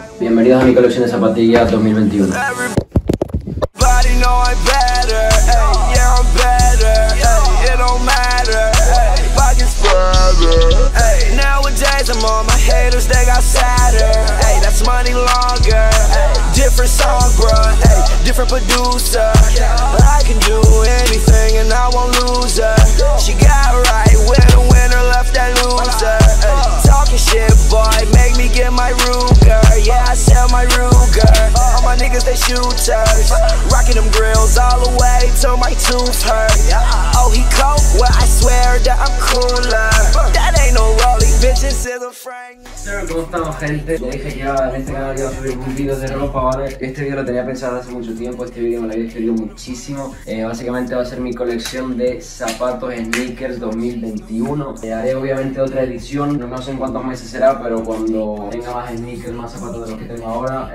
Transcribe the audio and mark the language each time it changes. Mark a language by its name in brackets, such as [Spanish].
[Spanish] Bienvenidos a mi colección de zapatillas 2021. [English] Everybody know I'm better, hey. Yeah, I'm better, hey. It don't matter, hey. If I can spread, hey. Nowadays I'm on my haters, they got sadder, hey. That's money longer, hey. Different song, bro, hey. Different producer, but I can do anything and I won't lose her. She got right when a winner left that loser. Talking shit, boy, make me get my Ruger. Yeah, I sell my Ruger. All my niggas, they shooters. Rocking them grills all the way till my tooth hurt. Oh, he cold? Well, I swear that I'm cooler. That ain't no rolling, bitches, it's a Frank. [Spanish] ¿Cómo estamos, gente? Ya dije que en este canal iba a subir un video de ropa, ¿vale? Este video lo tenía pensado hace mucho tiempo. Este video me lo había escrito muchísimo. Básicamente va a ser mi colección de zapatos sneakers 2021. Haré obviamente otra edición. No sé en cuántos meses será, pero cuando tenga más sneakers, más zapatos de los que tengo ahora.